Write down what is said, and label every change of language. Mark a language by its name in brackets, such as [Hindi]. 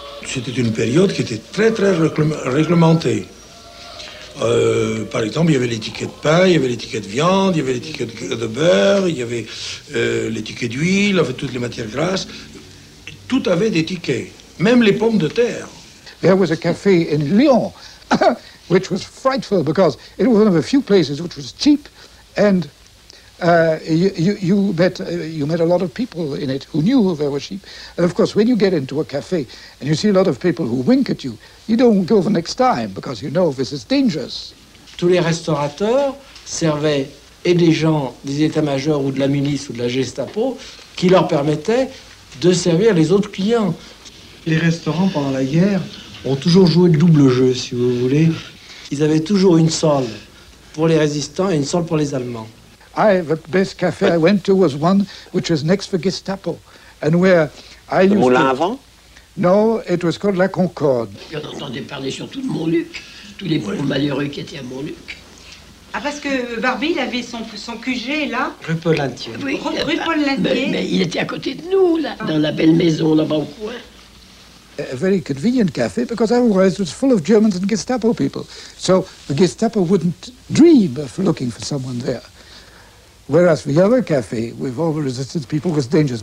[French] C'était une période qui était très très réglementée. Par exemple, il y avait l'étiquette pain, il y avait l'étiquette viande, il y avait l'étiquette de beurre, il y avait l'étiquette d'huile, avec toutes les matières grasses. Tout avait d'étiquette, même les pommes de terre. [English] There was a café in Lyon. Which was frightful because it was one of the few places which was cheap, and you met a lot of people in it who knew there were sheep. And of course, when you get into a cafe and you see a lot of people who wink at you, you don't go the next time because you know this is dangerous. [French] Tous les restaurateurs servaient et des gens des états-majors ou de la milice ou de la Gestapo qui leur permettaient de servir les autres clients. Les restaurants pendant la guerre ont toujours joué le double jeu, si vous voulez. Ils avaient toujours une salle pour les résistants et une salle pour les Allemands. [English] The best café I went to was one which was next to the Gestapo, and where I used. Moulin à vent? No, it was called La Concorde. [French] On entendait parler surtout de Montluc, tous les pauvres malheureux qui étaient à Montluc. Ah, parce que Barbie, il avait son QG, là. Rue Paul-Lantier. Oui, rue Paul-Lantier. Mais il était à côté de nous, là, dans la belle maison, là-bas au coin. [English] A very convenient café, because otherwise it was full of Germans and Gestapo people. So the Gestapo wouldn't dream of looking for someone there. Whereas the other café, with all the resistance people, was dangerous.